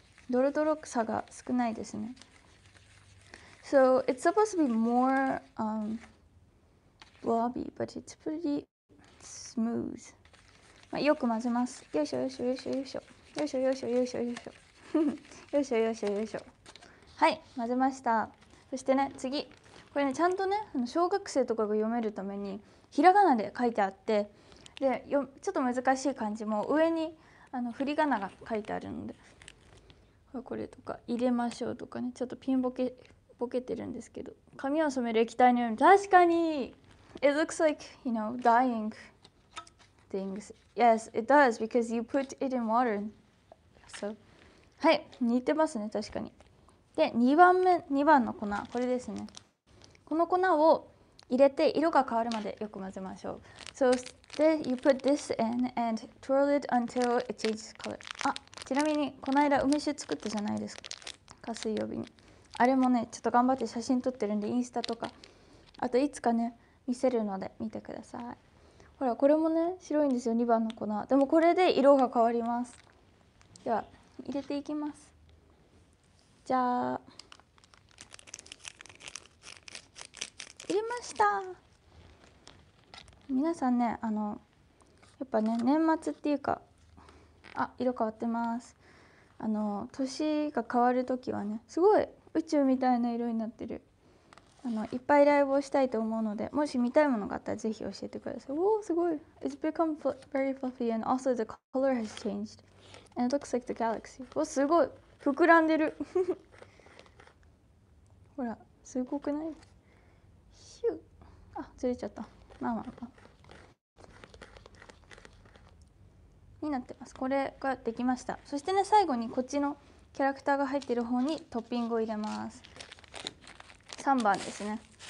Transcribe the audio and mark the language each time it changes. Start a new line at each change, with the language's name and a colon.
Japanese: ドロドロ臭が少ないですね。
English: So it's supposed to be more blobby, but it's pretty smooth.
Japanese: まあ、よく混ぜます。よいしょよいしょよいしょよいしょよいしょよいしょよいしょよいしょよいしょよいしょよいしょ、はい、混ぜました。そしてね、次これね、ちゃんとね、小学生とかが読めるためにひらがなで書いてあって、でよ、ちょっと難しい漢字も上にあの振り仮名が書いてあるので、これとか入れましょうとかね、ちょっとピンボケてるんですけど、髪を染める液体のように、確かに
English: It looks like, you know, dying things. Yes, it does, because you put it in water.
Japanese: So, はい、似てますね、確かに。で、2番の粉、これですね。この粉を入れて色が変わるまでよく混ぜましょう。 So, then you put this in and twirl it until it changes color. あ、ちなみにこの間梅酒作ったじゃないですか、水曜日に。あれもね、ちょっと頑張って写真撮ってるんで、インスタとか、あといつかね、見せるので見てください。ほら、これもね、白いんですよ、2番の粉。でもこれで色が変わります。では入れていきます。じゃあ入れました。皆さんね、あのやっぱね、年末っていうか、あ、色変わってます。あの年が変わるときはね、すごい宇宙みたいな色になってる。あのいっぱいライブをしたいと思うので、もし見たいものがあったらぜひ教えてください。おー、すごい。
English: It's become very fluffy and also the color has changed and it looks like the galaxy.
Japanese: おー、すごい膨らんでるほら、すごくない？ヒュー、あ、ずれちゃった。まあまあまあになってます。これができました。そしてね、最後にこっちのキャラクターが入ってる方にトッピングを入れます。3番ですね。